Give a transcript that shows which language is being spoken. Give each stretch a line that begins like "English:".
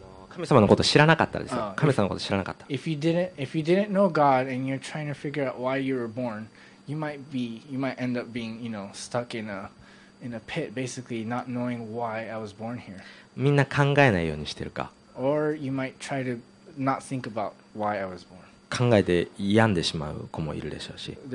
Japanese: 神様のこと知らなかったですよ。神様のこと知らなかった。
English: If you didn't know God and you're trying to figure out why you were born, you might end up being, you know, stuck in a pit, basically not knowing why I was born here.
Japanese: みんな考えないようにしてるか。
English: Or you might try to not think about why I was born.
Japanese: 考えて病んでしまう子もいるでしょうし、